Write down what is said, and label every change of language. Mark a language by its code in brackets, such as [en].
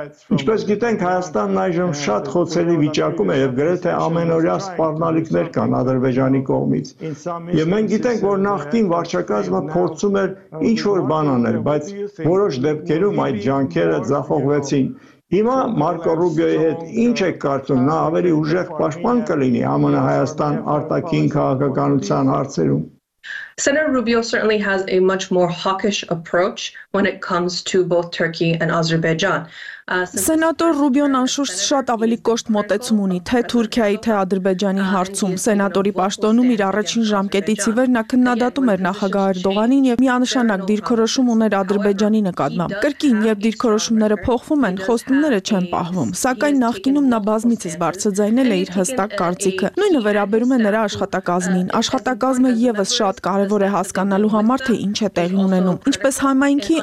[hy] Ինչպես գիտենք, Հայաստանն այժմ շատ խոցելի վիճակում է և գրեթե ամենօրյա սպառնալիքներ կան Ադրբեջանի կողմից, և մենք գիտենք, որ նախկին վարչակազմը փորձում էր ինչ-որ բան անել, բայց որոշ դեպքերում այդ ջանքերը ձախողվեց։ Հիմա Մարկո Ռուբիոյի հետ ինչ եք կարծում, նա ավելի ուժեղ պաշտպան կլինի ԱՄՆ Հայաստան արտաքին քաղաքականության հարցերում? [en] Senator Rubio certainly has a much more hawkish approach when it comes to both Turkey and Azerbaijan. [hy] Սենատոր Ռուբիոն անշուշտ շատ ավելի կոշտ մոտեցում ունի թե Թուրքիայի, թե Ադրբեջանի հարցում։ Սենատորի պաշտոնում իր առաջին ժամկետից ի վեր նա քննադատում էր նախագահ Էրդողանին և միանշանակ դիրքորոշում ուներ Ադրբեջանի նկատմամբ։ Կրկին, երբ դիրքորոշումները փոխվում են, խոստումները չեն պահվում, սակայն նախկինում նա բազմիցս բարձրացնել է իր հստակ կարծիքը։ Նույնը վերաբերում է նրա աշխատակազմին։ Աշխատակազմը ևս շատ կարևոր է հասկանալու համար, թե ինչ է տեղի ունենում, ինչպես համայնքի,